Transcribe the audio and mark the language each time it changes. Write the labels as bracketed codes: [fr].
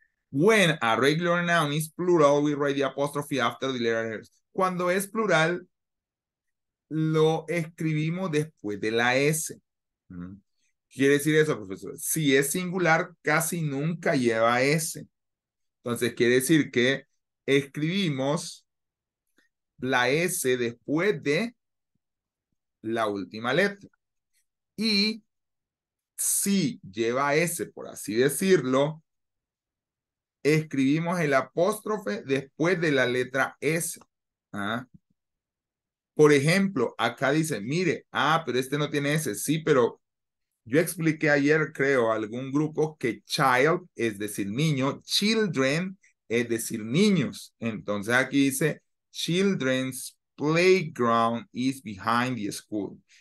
[en] When a regular noun is plural, we write the apostrophe after the letters. [es] Cuando es plural, lo escribimos después de la S. ¿Quiere decir eso, profesor? Si es singular, casi nunca lleva S. Entonces, quiere decir que escribimos la S después de la última letra. Y si lleva S, por así decirlo, escribimos el apóstrofe después de la letra S. ¿Ah? Por ejemplo, acá dice, mire, ah, pero este no tiene S. Sí, pero yo expliqué ayer, creo, a algún grupo que child es decir niño, children es decir niños. Entonces aquí dice, [en] children's playground is behind the school.